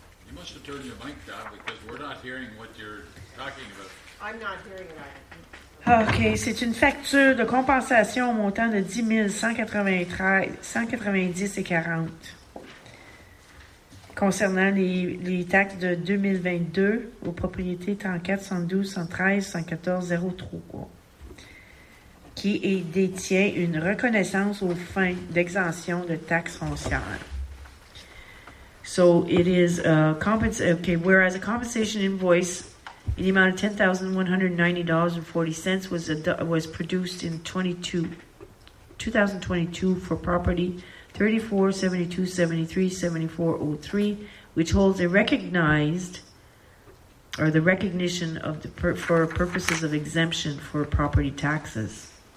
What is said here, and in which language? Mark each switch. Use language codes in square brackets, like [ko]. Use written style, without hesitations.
[en] You must have turned your mic down because we're not hearing what you're talking about. I'm not hearing it. [fr] OK, c'est une facture de compensation au montant de 10 190 $ 40 concernant les taxes de 2022 aux propriétés 34-112-113-114-03 qui détient une reconnaissance aux fins d'exemption de taxes foncières. [en] So it is whereas a compensation invoice in the amount of $10,190.40 was produced in 2022 for property 3472-73-7403, which holds a recognition of the for purposes of exemption for property taxes.